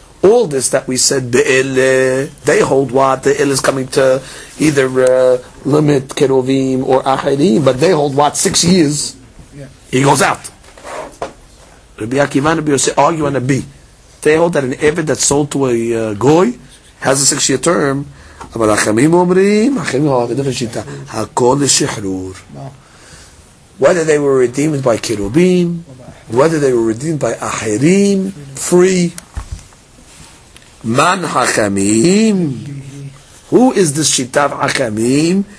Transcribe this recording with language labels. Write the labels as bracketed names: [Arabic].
[English] All this that we said be'ele, they hold what the ele is coming to either limit kerovim or achirim, but they hold what 6 years. Yeah. He goes out. Rabbi Akiva and Rabbi Yosef argue on a B. They hold that an eved that sold to a goy has a 6 year term. [Hebrew] אבל החכמים אומרים, החכמים אומרים, דבר שיטה, הכל לשחרור. [English] Whether they were redeemed by kerubim, whether they were redeemed by אחרים, free. [Hebrew] מן החכמים, [English] who is the שיטה of החכמים?